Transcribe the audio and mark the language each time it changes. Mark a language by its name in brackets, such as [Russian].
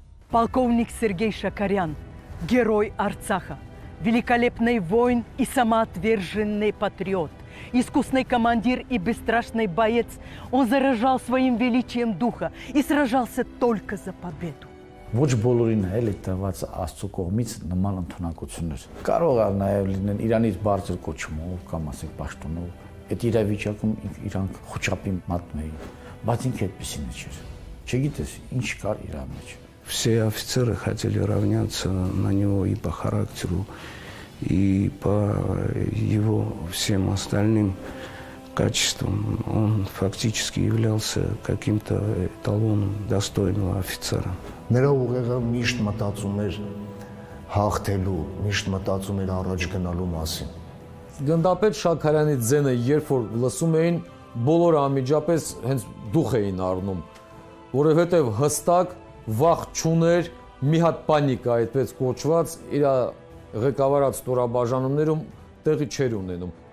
[Russian] Полковник Сергей Шакарян, герой Арцаха, великолепный воин и самоотверженный патриот, искусный командир и бесстрашный боец, он заражал своим величием духа и сражался только за победу. [Armenian] Ոչ բոլորին էլ է տված Աստծո կողմից նման ընտանակություններ։ Կարող է նաև լինեն Իրանից բարձր կոչմով կամ ասենք պաշտոնով։ Այդ իրավիճակում իրանք խոչապի մատնային, բայց ինքը այդպեսին չէր։ Չգիտես ինչ կար իրա մեջ։ [Russian] Все офицеры хотели равняться на него и по характеру, и по его всем остальным качеством. Он фактически являлся каким-то эталоном достойного офицера. [Armenian] Նրա ուղեղը միշտ մտածում էր հաղթելու, միշտ մտածում էր առաջ գնալու մասին։ Գնդապետ Շաքարյանի ձենը, երբ որ լսում էին, բոլոր անմիջապես հենց դուխ էին առնում, որովհետև հստակ վախ չուներ, մի հատ պանիկա այդպես կոչված իր ղեկավարած ստորաբաժանումներում տեղի չեր ունենում։